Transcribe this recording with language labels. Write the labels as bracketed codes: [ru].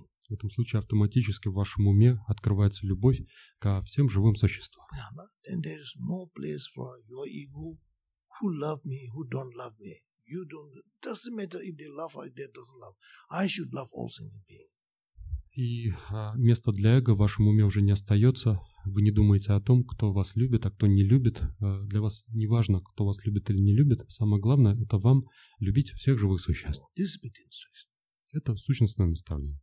[ru] В этом случае автоматически в вашем уме открывается любовь ко всем живым существам. [en] Then there is no place for your ego who love me, who don't love me. You don't. Doesn't matter if they love or if they doesn't love. I should love all sentient beings. [ru] И места для эго в вашем уме уже не остается. Вы не думаете о том, кто вас любит, а кто не любит. Для вас не важно, кто вас любит или не любит. Самое главное – это вам любить всех живых существ. [en] This is between souls. [ru] Это сущностное наставление.